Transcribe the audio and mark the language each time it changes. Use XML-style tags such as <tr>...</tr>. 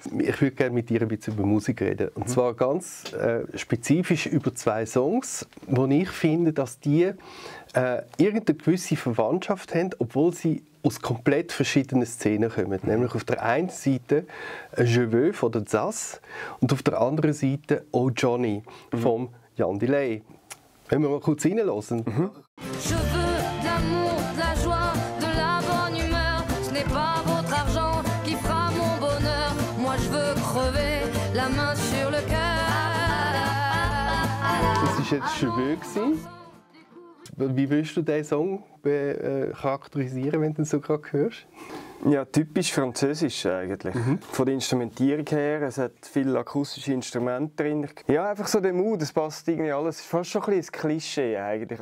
<de>Ich würde gerne mit dir ein bisschen über Musik reden. Und zwar ganz spezifisch über zwei Songs, wo ich finde, dass die irgendeine gewisse Verwandtschaft haben, obwohl sie aus komplett verschiedenen Szenen kommen. Nämlich auf der einen Seite «Je veux» von der Zaz und auf der anderen Seite «Oh Jonny» vom Jan Delay. Wollen wir mal kurz reinhören?</de> <fr>«Je veux de l'amour, de la joie, de la bonne humeur. Ce n'est pas votre argent qui fera mon bonheur. Moi je veux crever la main sur le cœur.»</fr> <de>Das war jetzt «Je veux». Wie würdest du diesen Song charakterisieren, wenn du ihn so gerade hörst? Ja, typisch französisch eigentlich. Mhm. Von der Instrumentierung her, es hat viele akustische Instrumente drin. Ja, einfach so der Mood, es passt irgendwie alles. Es ist fast schon ein bisschen ein Klischee eigentlich.</de>